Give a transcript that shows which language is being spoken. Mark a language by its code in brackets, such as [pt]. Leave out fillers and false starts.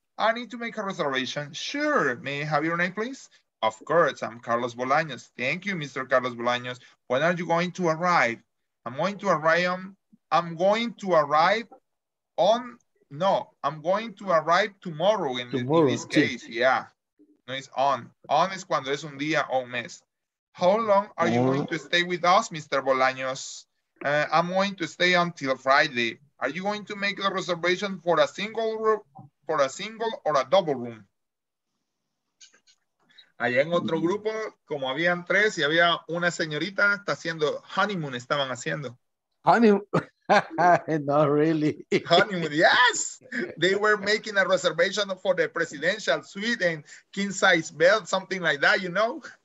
[en] I need to make a reservation. Sure, may I have your name, please? Of course, I'm Carlos Bolaños. Thank you, Mr. Carlos Bolaños. When are you going to arrive? I'm going to arrive tomorrow in this case, yeah. No, it's on. On is [es] cuando es un día o un mes. [en] How long are you going to stay with us, Mr. Bolaños? I'm going to stay until Friday. Are you going to make a reservation for a single room? For a single or a double room. [es] Allá en otro grupo, como habían tres y había una señorita, está haciendo honeymoon, estaban haciendo. [en] Honeymoon? Not really. Honeymoon, yes! They were making a reservation for the presidential suite and king size bed, something like that, you know?